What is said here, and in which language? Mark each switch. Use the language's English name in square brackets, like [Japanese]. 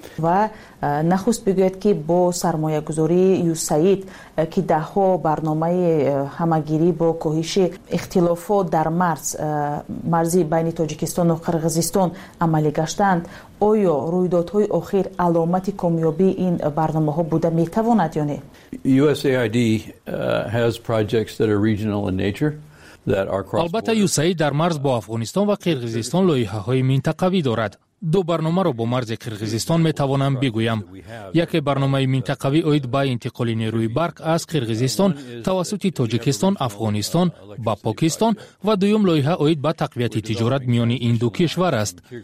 [Persian] و نخست بگوید که با سرمایه گذاری یوساید که ده ها برنامه همگیری با کاهش اختلافات در مرزی بین تاجیکستان و قرغیزستان عملی گشتند، آیا رویدادهای آخر علامت کامیابی این برنامه ها بوده میتواند یا نه؟ [English] USAID has projects that are regional in nature. [Persian] البته یوسایی در مرز با افغانستان و قرغیزستان لایحه های منطقوی دارد. دو برنامه را با مرز قرغیزستان می توانم بگویم. یک برنامه منطقوی اوید با انتقال نیروی برق از قرغیزستان توسط تاجیکستان، افغانستان با پاکستان و دویم لایحه اوید با تقویت تجارت میان این دو کشور است.